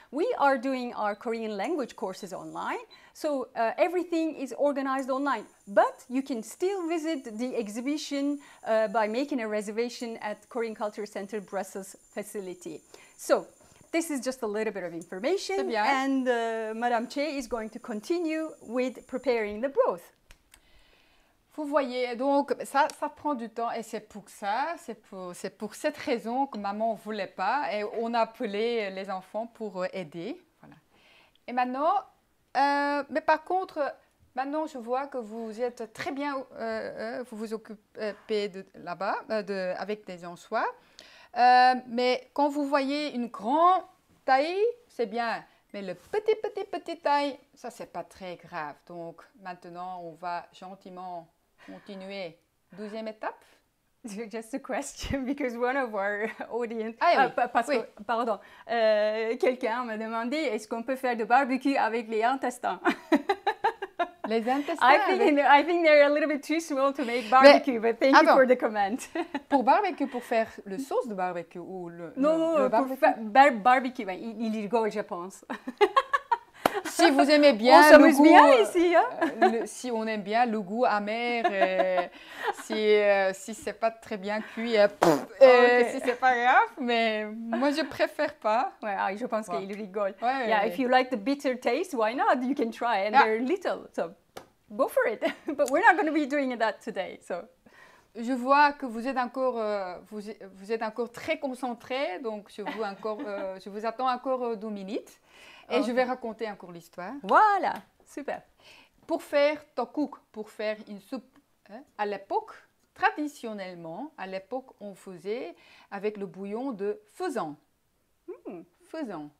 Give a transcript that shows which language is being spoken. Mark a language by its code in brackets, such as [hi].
[en] We are doing our Korean language courses online. So everything is organized online, but you can still visit the exhibition by making a reservation at Korean Cultural Center Brussels facility. So this is just a little bit of information. And Madame Che is going to continue with preparing the broth. [fr] Vous voyez, donc ça prend du temps et c'est pour ça, c'est pour cette raison que maman ne voulait pas et on a appelé les enfants pour aider. Voilà. Et maintenant, mais par contre, maintenant je vois que vous êtes très bien, vous vous occupez de là-bas avec des anchois. Mais quand vous voyez une grande taille, c'est bien. Mais le petit taille, ça c'est pas très grave. Donc maintenant, on va gentiment continuer. Deuxième étape. [en] Just a question, because one of our audience, [fr] pardon, quelqu'un m'a demandé est-ce qu'on peut faire du barbecue avec les intestins. Les intestins. [en] I think they're a little bit too small to make barbecue, but thank you for the comment. [fr] Pour barbecue, pour faire le sauce de barbecue ou le barbecue, ben, il est gros, je pense. Si vous aimez bien le goût, on s'amuse bien ici. Hein? Si on aime bien le goût amer, et si c'est pas très bien cuit, si c'est pas grave, mais moi je préfère pas. Ouais, je pense qu'il rigole. Ouais, [en] yeah, if you like the bitter taste, why not? You can try, and they're little, so go for it. But we're not going to be doing that today. So [fr] je vois que vous êtes encore vous êtes encore très concentré, donc je vous attends encore 2 minutes. Et je vais raconter encore l'histoire. Voilà, super. Pour faire tteokguk, pour faire une soupe, à l'époque, traditionnellement, à l'époque, on faisait avec le bouillon de faisan. Faisan.